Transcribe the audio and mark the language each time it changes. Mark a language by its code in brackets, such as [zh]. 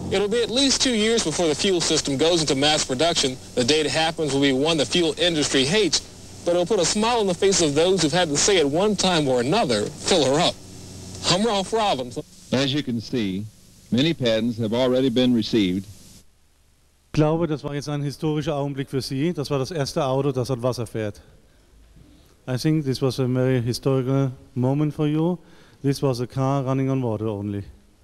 [en] It'll be at least 2 years before the fuel system goes into mass production. The day it happens will be one the fuel industry hates, but it'll put a smile on the face of those who've had to say at one time or another, fill her up. I'm Ralph Robinson. As you can see, many patents have already been received. [de] Ich glaube, das war jetzt ein historischer Augenblick für Sie. Das war das erste Auto, das an Wasser fährt. [en] I think this was a very historical moment for you. This was a car running on water only.